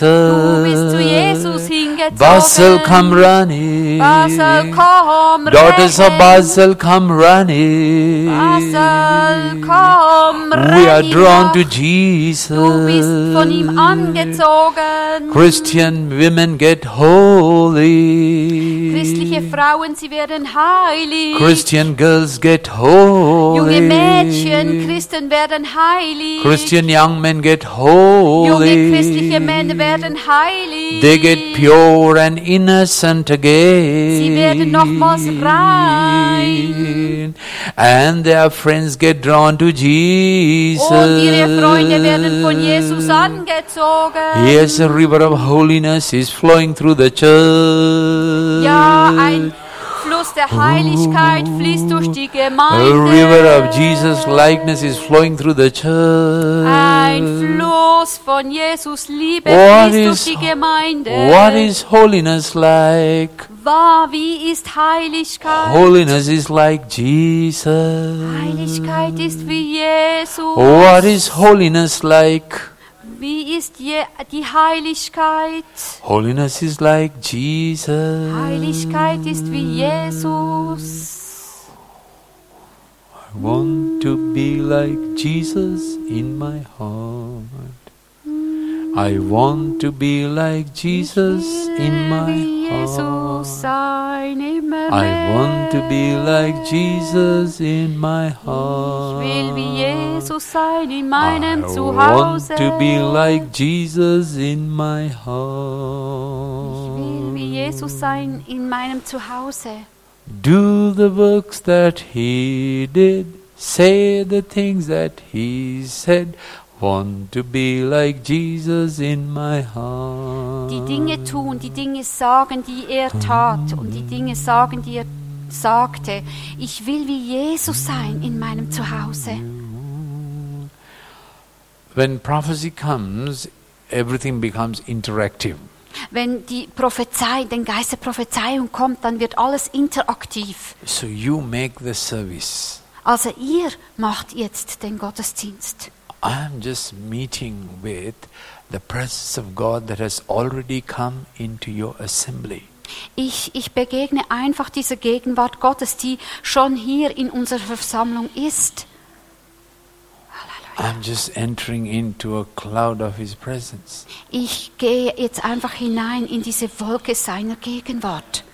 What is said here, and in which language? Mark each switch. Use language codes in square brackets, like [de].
[de] Du bist zu Jesus hingezogen. [en] Basel, come running. [de] Basel, komm, [en] daughters [de] rennen. [en] Of Basel, come running. [de] Basel, komm, renn ihm. [en] We are drawn [de] nach. [en] To Jesus. [de] Du bist von ihm angezogen. [en] Christian women get holy. [de] Christliche Frauen, sie werden heilig. [en] Christian girls get holy. [de] Junge Mädchen, Christen werden heilig. [en] Christian young men get holy. [de] Junge christliche Männer werden heilig. [en] They get pure and innocent again. [de] Sie werden nochmals rein. [en] And their friends get drawn to Jesus. [de] Und ihre Freunde werden von Jesus angezogen. [en] Yes, a river of holiness is flowing through the church. [de] Ja, ein Fluss der Heiligkeit fließt durch die Gemeinde. [en] A river of Jesus' likeness is flowing through the church. [de] Ein Fluss. Los von Jesus, liebe Christus die Gemeinde. [en] What is holiness like? [de] Wie ist Heiligkeit? [en] Holiness is like Jesus. [de] Heiligkeit ist wie Jesus. [en] What is holiness like? [de] Wie ist die Heiligkeit? [en] Holiness is like Jesus. [de] Heiligkeit ist wie Jesus. [en] I want to be like Jesus in my heart. I want to be like Jesus in my heart. I want to be like Jesus in my heart. [de] Ich will wie Jesus sein in meinem Zuhause. [en] I want to be like Jesus in my heart. [de] Ich will wie Jesus sein in meinem Zuhause. [en] Do the works that he did, say the things that he said, want to be like Jesus in my heart. [de] Die Dinge tun, die Dinge sagen, die tat, und die Dinge sagen, die sagte. Ich will wie Jesus sein in meinem Zuhause. [en] When prophecy comes, everything becomes interactive. [de] Wenn die Prophezeiung, den Geist der Prophezeiung kommt, dann wird alles interaktiv. [en] So you make the service. [de] Also ihr macht jetzt den Gottesdienst. [en] I'm just meeting with the presence of God that has already come into your assembly. [de] Ich begegne einfach dieser Gegenwart Gottes, die schon hier in unserer Versammlung ist. [en] I'm just entering into a cloud of his presence. [de] Ich gehe jetzt einfach hinein in diese Wolke seiner Gegenwart.